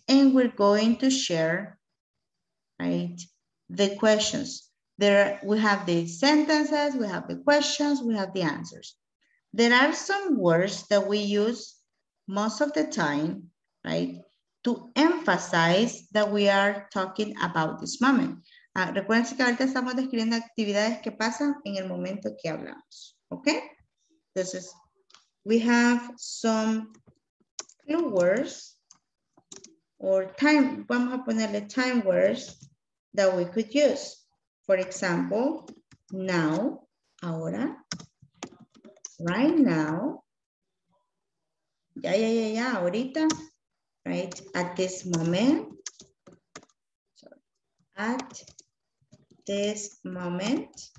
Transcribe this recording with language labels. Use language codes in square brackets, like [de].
[en] And we're going to share, right, the questions. We have the sentences, we have the questions, we have the answers. There are some words that we use most of the time, right, to emphasize that we are talking about this moment. [es] Recuerden que ahorita estamos describiendo actividades que pasan en el momento que hablamos, okay? [en] This is, we have some clue words or time, [es] vamos a ponerle [en] time words that we could use. For example, now, ahora, right now, ya, ahorita, right, at this moment, at this moment,